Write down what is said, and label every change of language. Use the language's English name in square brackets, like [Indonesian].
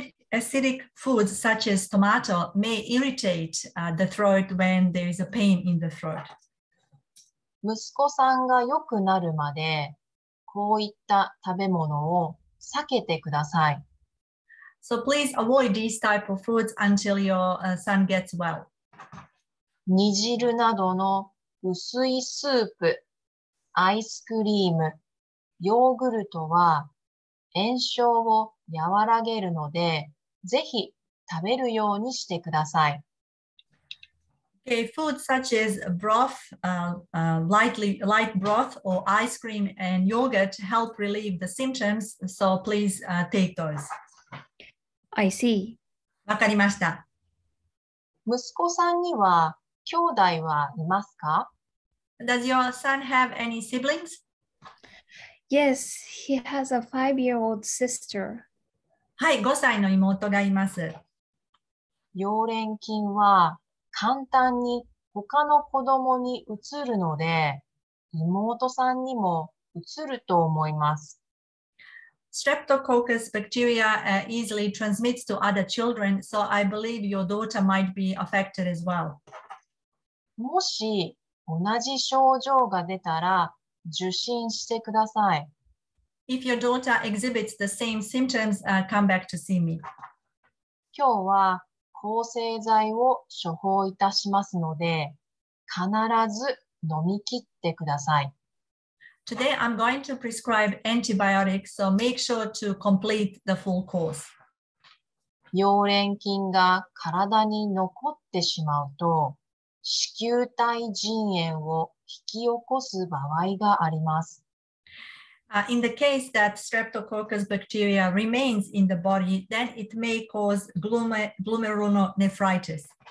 [English] Acidic foods such as tomato may irritate the throat when there is a pain in the throat. [Japanese] 息子さんが良くなるまでこういった食べ物を避けてください。 [English] So please avoid these type of foods until your son gets well. [Japanese] 煮汁などの薄いスープ、アイスクリーム、ヨーグルトは炎症を和らげるので、ぜひ食べるようにしてください。 [English] OK, Okay, foods such as broth, light broth or ice cream and yogurt help relieve the symptoms. So please take those. I see. [Japanese] わかりました。息子さんには兄弟はいますか? [English] Does your son have any siblings? Yes, he has a 5-year-old sister. [Japanese] はい、5歳の妹がいます。溶連菌は簡単に他の子供にうつるので、妹さんにもうつると思います。 [English] Streptococcus bacteria easily transmits to other children, so I believe your daughter might be affected as well. [Japanese] もし同じ症状が出たら受診してください。 [English] If your daughter exhibits the same symptoms, come back to see me. [Japanese] 今日は抗生剤を処方いたしますので、必ず飲み切ってください。 [English] Today I'm going to prescribe antibiotics, so make sure to complete the full course. [Japanese] 溶連菌が体に残ってしまうと、子宮体腎炎を引き起こす場合があります。 [English] In the case that streptococcus bacteria remains in the body, then it may cause glomerulonephritis.